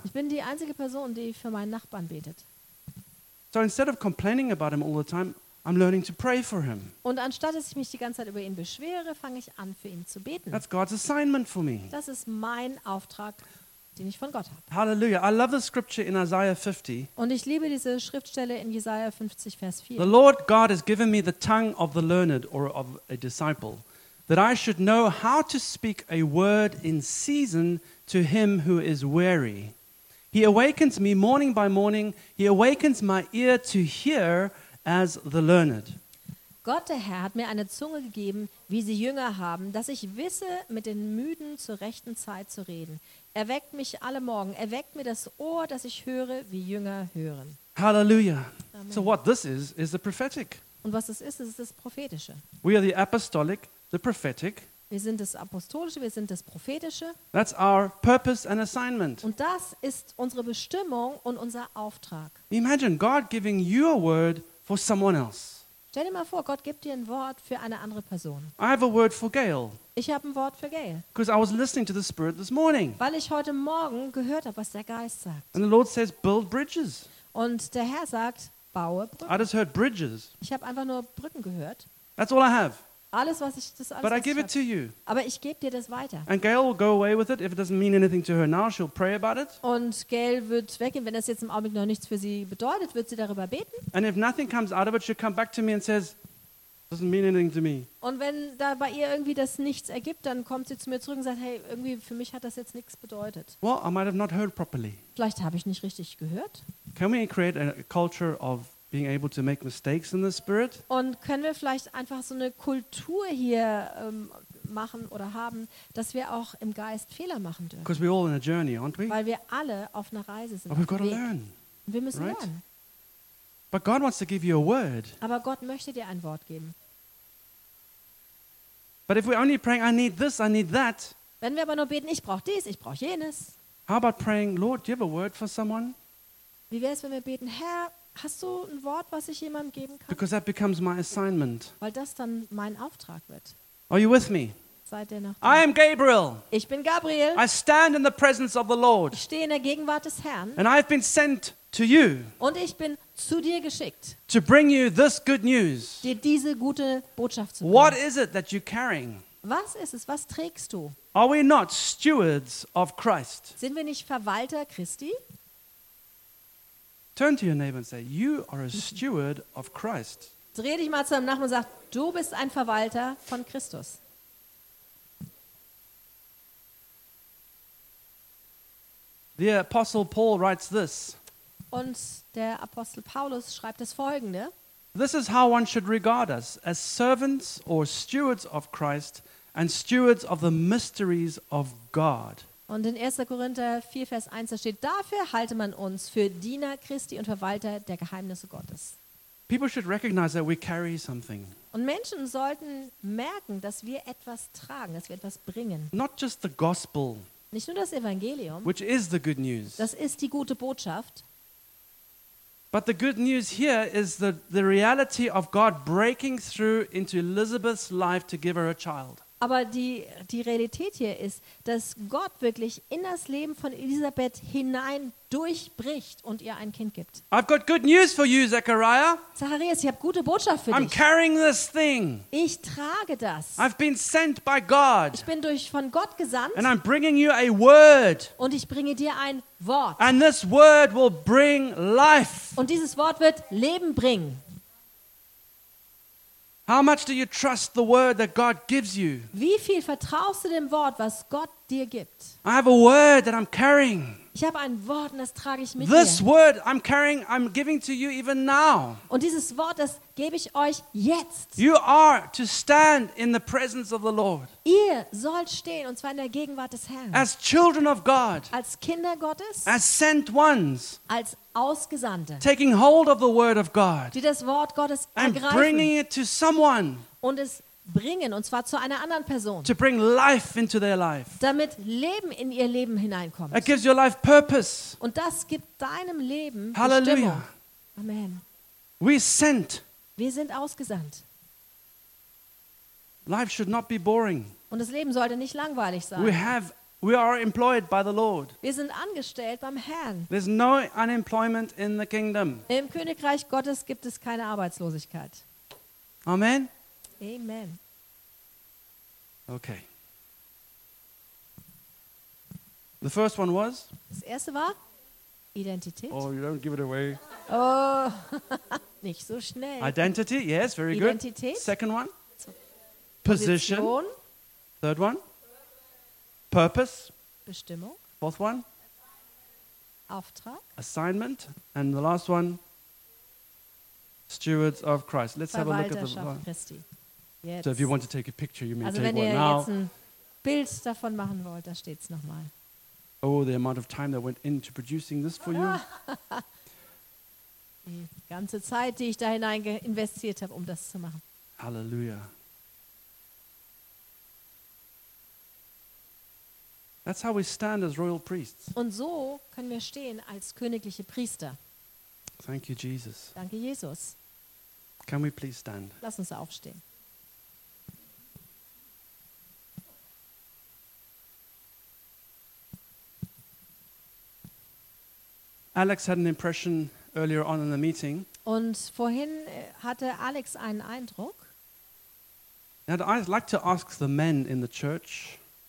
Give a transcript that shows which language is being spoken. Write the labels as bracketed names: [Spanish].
[German] Ich bin die einzige Person, die für meinen Nachbarn betet. [English] So instead of complaining about him all the time, I'm learning to pray for him. [German] Und anstatt dass ich mich die ganze Zeit über ihn beschwere, fange ich an, für ihn zu beten. [English] That's God's assignment for me. [German] Das ist mein Auftrag, den ich von Gott habe. [English] Hallelujah. I love the scripture in Isaiah 50. [German] Und ich liebe diese Schriftstelle in Jesaja 50, Vers 4. [English] The Lord God has given me the tongue of the learned or of a disciple, that I should know how to speak a word in season to him who is weary. He awakens me morning by morning. He awakens my ear to hear. As the learned. [German] Gott, der Herr, hat mir eine Zunge gegeben, wie sie Jünger haben, dass ich wisse, mit den Müden zur rechten Zeit zu reden. Er weckt mich alle Morgen. Er weckt mir das Ohr, dass ich höre, wie Jünger hören. Halleluja. Amen. [English] So what this is the prophetic. [German] Und was das ist, ist das Prophetische. [English] We are the apostolic, the prophetic. [German] Wir sind das Apostolische, wir sind das Prophetische. [English] That's our purpose and assignment. [German] Und das ist unsere Bestimmung und unser Auftrag. [English] Imagine God giving you a word for someone else. [German] Stell dir mal vor, Gott gibt dir ein Wort für eine andere Person. [English] I have a word for Gail. [German] Ich habe ein Wort für Gail. [English] Because I was listening to the Spirit this morning. [German] Weil ich heute Morgen gehört habe, was der Geist sagt. [English] And the Lord says, build bridges. [German] Und der Herr sagt, baue Brücken. [English] I just heard bridges. [German] Ich habe einfach nur Brücken gehört. [English] That's all I have. [German] Alles, was ich, das alles, [English] but [German] was [English] I give [German] ich [English] it to you. [German] Aber ich gebe dir das weiter. [English] And Gail will go away with it if it doesn't mean anything to her now. She'll pray about it. [German] Und Gail wird weggehen, wenn das jetzt im Augenblick noch nichts für sie bedeutet, wird sie darüber beten. [English] And if nothing comes out of it, she'll come back to me and says, doesn't mean anything to me. [German] Und wenn da bei ihr irgendwie das nichts ergibt, dann kommt sie zu mir zurück und sagt, hey, irgendwie für mich hat das jetzt nichts bedeutet. [English] Well, I might have not heard properly. [German] Vielleicht habe ich nicht richtig gehört. [English] Can we create a culture of being able to make mistakes in the spirit? [German] Und können wir vielleicht einfach so eine Kultur hier machen oder haben, dass wir auch im Geist Fehler machen dürfen? [English] Because we're all in a journey, aren't we? [German] Weil wir alle auf einer Reise sind. [English] But we've got to learn. [German] Wir müssen [English] right? [German] lernen. [English] But God wants to give you a word. [German] Aber Gott möchte dir ein Wort geben. [English] But if we only praying, I need this, I need that. [German] Wenn wir aber nur beten, ich brauche dies, ich brauche jenes. [English] How about praying, Lord, do you have a word for someone? [German] Wie wäre es, wenn wir beten, Herr, hast du ein Wort, was ich jemandem geben kann? [English] Because that becomes my assignment. [German] Weil das dann mein Auftrag wird. [English] Are you with me? [German] Seid ihr noch da? [English] I am Gabriel. [German] Ich bin Gabriel. [English] I stand in the presence of the Lord. [German] Ich stehe in der Gegenwart des Herrn. [English] And I've been sent to you. [German] Und ich bin zu dir geschickt. [English] To bring you this good news. [German] Dir diese gute Botschaft zu bringen. [English] What is it that you're carrying? [German] Was ist es? Was trägst du? [English] Are we not stewards of Christ? [German] Sind wir nicht Verwalter Christi? [English] Turn to your neighbor and say, you are a steward of Christ. [German] Dreh dich mal zu deinem Nachbarn und sag, du bist ein Verwalter von Christus. [English] The Apostle Paul writes this. [German] Und der Apostel Paulus schreibt das Folgende. [English] This is how one should regard us, as servants or stewards of Christ and stewards of the mysteries of God. [German] Und in 1. Korinther 4, Vers 1, da steht, dafür halte man uns für Diener Christi und Verwalter der Geheimnisse Gottes. [English] People should recognize that we carry something. [German] Und Menschen sollten merken, dass wir etwas tragen, dass wir etwas bringen. [English] Not just the gospel. [German] Nicht nur das Evangelium. [English] Which is the good news. [German] Das ist die gute Botschaft. [English] But the good news here is the reality of God breaking through into Elizabeth's life to give her a child. [German] Aber die Realität hier ist, dass Gott wirklich in das Leben von Elisabeth hinein durchbricht und ihr ein Kind gibt. [English] I've got good news for you, Zachariah. [German] Zacharias, ich habe gute Botschaft für dich. [English] I'm carrying this thing. [German] Ich trage das. [English] I've been sent by God. [German] Ich bin von Gott gesandt. [English] And I'm bringing you a word. [German] Und ich bringe dir ein Wort. [English] And this word will bring life. [German] Und dieses Wort wird Leben bringen. [English] How much do you trust the word that God gives you? [German] Wie viel vertraust du dem Wort, was Gott dir gibt? [English] I have a word that I'm carrying. [German] Ich habe ein Wort und das trage ich mit mir. [English] This word I'm carrying, I'm giving to you even now. [German] Und dieses Wort, das gebe ich euch jetzt. [English] You are to stand in the presence of the Lord. [German] Ihr sollt stehen, und zwar in der Gegenwart des Herrn. [English] As children of God. [German] Als Kinder Gottes. [English] As sent ones. [German] Als Ausgesandte. [English] Taking hold of the word of God. [German] Die das Wort Gottes ergreifen. [English] And bringing it to someone. [German] Und es bringen, und zwar zu einer anderen Person. [English] To bring life into their life. [German] Damit Leben in ihr Leben hineinkommt. [English] It gives your life purpose. [German] Und das gibt deinem Leben Halleluja. Bestimmung. Amen. [English] We sent. [German] Wir sind ausgesandt. [English] Life should not be boring. [German] Und das Leben sollte nicht langweilig sein. [English] We are employed by the Lord. [German] Wir sind angestellt beim Herrn. [English] There's no unemployment in the kingdom. [German] Im Königreich Gottes gibt es keine Arbeitslosigkeit. Amen. Amen. [English] Okay. The first one was? [German] Das erste war Identität. [English] Oh, you don't give it away. [German] Oh, nicht so schnell. [English] Identity, yes, very [German] Identität. [English] Good. Second one? Position. Position. Third one? Purpose. [German] Bestimmung. [English] Fourth one? [German] Auftrag. [English] Assignment. And the last one? Stewards of Christ. Let's have a look at the one. [German] Christi. Jetzt. [English] So if you want to take a picture, you may also take one now. [German] Also wenn ihr jetzt ein Bild davon machen wollt, da steht's nochmal. [English] Oh, the amount of time that went into producing this for you. [German] Die ganze Zeit, die ich da hinein investiert habe, um das zu machen. Halleluja. [English] That's how we stand as royal priests. [German] Und so können wir stehen als königliche Priester. [English] Thank you, Jesus. [German] Danke, Jesus. [English] Can we please stand? [German] Lass uns aufstehen. [English] Alex had an impression earlier on in the meeting. [German] Und vorhin hatte Alex einen Eindruck. [English] And I'd like to ask the men in the church.